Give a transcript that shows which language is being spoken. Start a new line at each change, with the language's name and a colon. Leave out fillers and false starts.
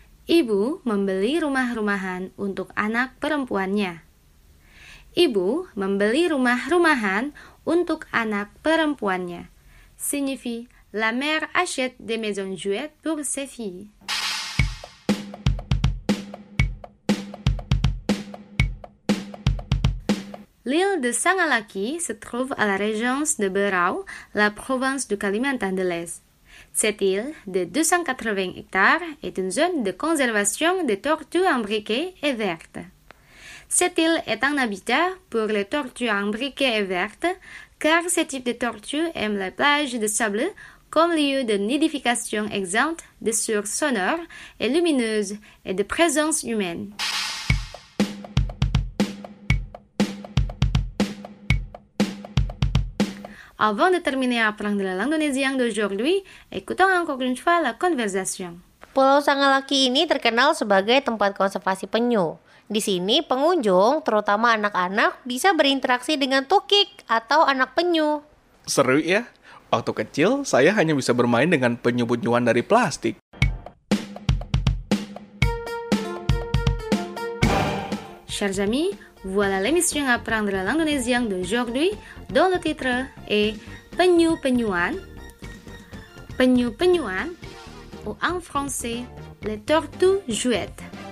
Indonesian: Ibu membeli rumah-rumahan untuk anak perempuannya. Ibu membeli rumah-rumahan untuk anak perempuannya.
French: Signifie la mère achète des maisons jouets pour ses filles. L'île de Sangalaki se trouve à la région de Berau, la province du Kalimantan de l'Est. Cette île de 280 hectares est une zone de conservation des tortues imbriquées et vertes. Cette île est un habitat pour les tortues imbriquées et vertes car ce type de tortue aime les plages de sable comme lieu de nidification exempte de sources sonores et lumineuses et de présence humaine. Avant de terminer à apprendre la langue indonésienne d'aujourd'hui, écoutons encore une fois la conversation.
Indonesian: Pulau Sangalaki ini terkenal sebagai tempat konservasi penyu. Di sini, pengunjung, terutama anak-anak, bisa berinteraksi dengan tukik atau anak penyu. Seru ya. Waktu kecil, saya hanya bisa bermain dengan penyu-penyuan dari plastik.
French: Chers amis, voilà l'émission Apprendre la langue indonésienne d'aujourd'hui, dont le titre est Penyu-penyuan. Penyu-penyuan, ou en français, les tortues jouettes.